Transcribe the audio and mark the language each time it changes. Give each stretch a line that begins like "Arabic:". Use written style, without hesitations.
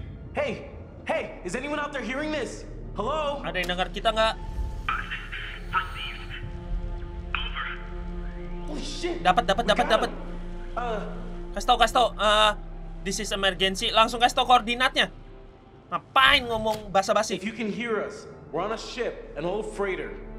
English: Hey, hey, is anyone out there hearing this? Hello?
Indonesian: Ada yang dengar kita nggak?
English: Over. Oh shit.
Indonesian: Dapat. Kasih tau.
English: This is emergency.
Indonesian: Langsung kasih tau koordinatnya. Ngapain ngomong basa-basi?
English: If you can hear us, we're on a ship, an old freighter.